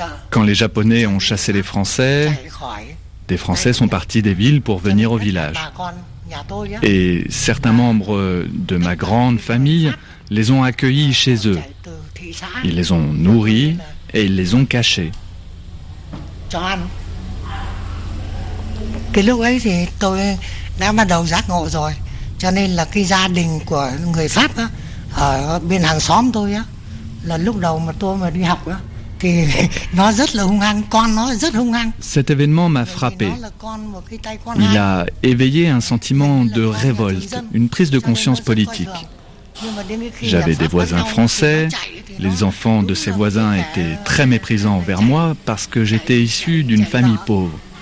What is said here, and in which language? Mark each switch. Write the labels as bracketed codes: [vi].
[fr] Quand les Japonais ont chassé les Français, des Français sont partis des villes pour venir au village. Et certains membres de ma grande famille les ont accueillis chez eux. Ils les ont nourris et ils les ont cachés. [vi] Cái lúc ấy thì tôi đã bắt đầu giác ngộ rồi, cho nên là cái gia đình của người Pháp á ở bên hàng xóm tôi á là lúc đầu mà tôi mà đi học á. [fr] Cet événement m'a frappé. Il a éveillé un sentiment de révolte, une prise de conscience politique. J'avais des voisins français, les enfants de ces voisins étaient très méprisants envers moi parce que j'étais issu d'une famille pauvre.